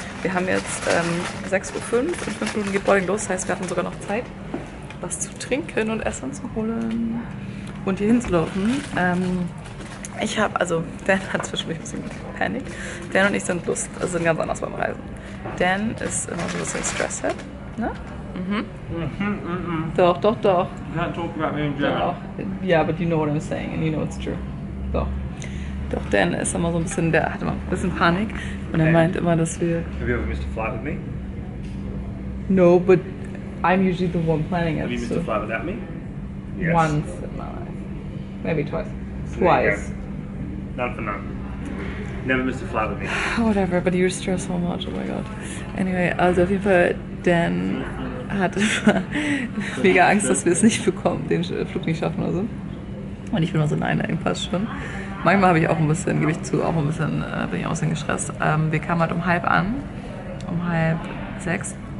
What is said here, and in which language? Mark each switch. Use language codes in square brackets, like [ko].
[de] Wir haben jetzt 6.05 Uhr. In 5 Minuten geht Boarding los. Das heißt, wir hatten sogar noch Zeit, was zu trinken und Essen zu holen und hier hinzulaufen. Ich habe, also Dan hat zwischendurch ein bisschen Panik. Dan und ich sind Lust, also sind ganz anders beim Reisen. Dan ist immer so ein bisschen Stresshead, ne? Doch, doch, doch. [en] Not talking about me in general. [de] Doch. [en] Yeah, but you know what I'm saying and you know it's true. [de] Doch. Doch, Dan ist immer so ein bisschen, der hat immer ein bisschen Panik und er meint immer, dass wir... [en] Have you ever missed a flight with me? No, but I'm usually the one planning it. Have you missed a flight without me? Yes. Once in my life. Maybe twice. Twice. Never missed a flight with me. Whatever, but you're stressed so much, oh my god. Anyway, [de] also auf jeden Fall, Dan hat mega Angst, dass wir es nicht bekommen, den Flug nicht schaffen oder so. Und ich bin immer so, nein, nein, passt schon. Manchmal habe ich auch ein bisschen, gebe ich zu, auch ein bisschen, bin ich auch ein bisschen gestresst. Wir kamen halt um 5:30 an, um 5:30.